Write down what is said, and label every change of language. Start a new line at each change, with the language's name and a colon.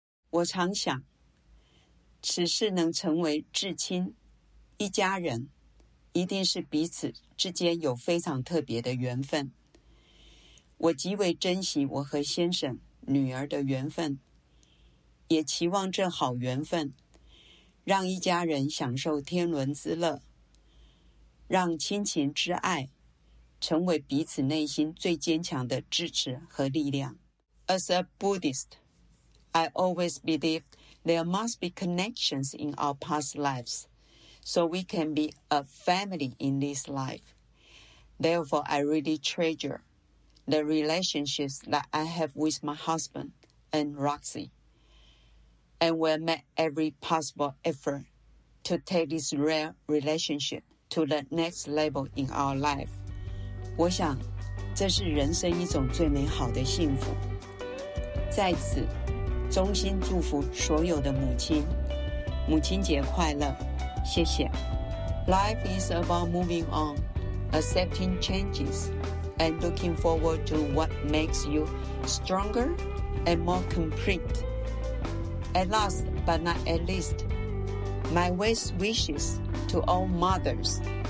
Chinese: 我常想，此事能成为至亲，一家人，一定是彼此之间有非常特别的缘分。我极为珍惜我和先生、女儿的缘分，也期望这好缘分，让一家人享受天伦之乐，让亲情之爱成为彼此内心最坚强的支持和力量。
English: As a Buddhist, I always believe there must be connections in our past lives, so we can be a family in this life. Therefore, I really treasure the relationships that I have with my husband and Roxy, and will make every possible effort to take this rare relationship to the next level in our life.
Chinese: 我想这是人生一种最美好的幸福。在此衷心祝福所有的母亲，母亲节快乐，谢谢。
English: Life is about moving on, accepting changes, and looking forward to what makes you stronger and more complete. And last but not at least, my best wishes to all mothers.